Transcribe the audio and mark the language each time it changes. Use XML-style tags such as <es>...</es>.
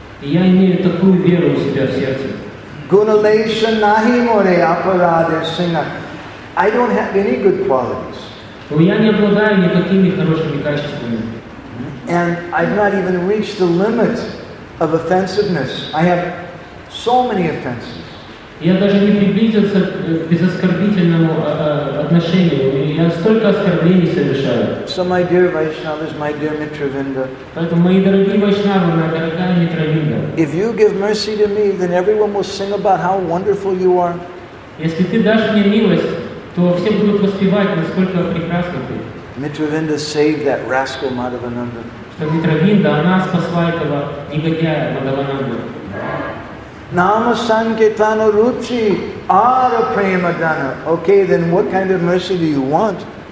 <ru>Я имею такую веру у себя в сердце.</ru> <bn>Гуналеша нахи море апараде сина.</bn> <en>I don't have any good qualities.</en> <ru>У меня не обладаю никакими хорошими качествами.</ru> <en>And I've not even reached the limit of offensiveness. I have so many offenses.</en> <ru>Я даже не приблизился к безоскорбительному отношению. Я столько оскорблений совершаю.</ru> <en>So my dear Vaishnavas, my dear Mitravinda.</en> <ru>Поэтому, мои дорогие Вайшнавы, моя дорогая Митравинда.</ru> <en>If you give mercy to me, then everyone will sing about how wonderful you are.</en> <ru>Если ты дашь мне милость, то все будут воспевать, насколько прекрасно ты.</ru> <en>Mitravinda saved that rascal Madhavananda.</en> <ru>Что Митравинда, она спасла этого негодяя Мадхавананду.</ru> <bn>Nama Sankirtana Ruchi Ara Prema Dana.</bn> <en>Okay, then what kind of mercy do you want?</en>